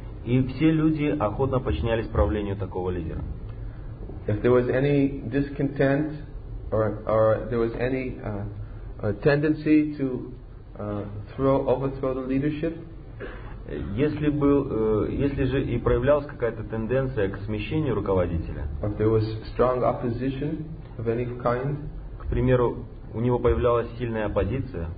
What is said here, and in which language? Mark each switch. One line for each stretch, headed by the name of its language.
Russian: И все люди охотно подчинялись правлению такого лидера.
English: If there was any discontent or there was any tendency to overthrow the leadership,
Russian: если же и проявлялась какая-то тенденция к смещению руководителя,
English: if there was strong opposition of any kind,
Russian: к примеру, у него появлялась сильная оппозиция,